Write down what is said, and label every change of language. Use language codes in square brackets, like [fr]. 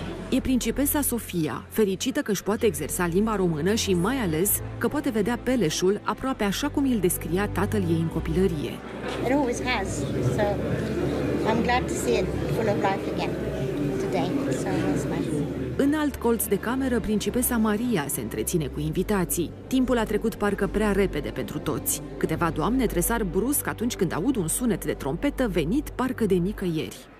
[ro] E principesa Sofia, fericită că își poate exersa limba română și mai ales că poate vedea Peleșul aproape așa cum îl descria tatăl ei în copilărie. [en] It always has, so I'm glad to see it full of life again today, so it's nice. [ro] În alt colț de cameră, principesa Maria se întreține cu invitații. Timpul a trecut parcă prea repede pentru toți. Câteva doamne tresar brusc atunci când aud un sunet de trompetă venit parcă de nicăieri.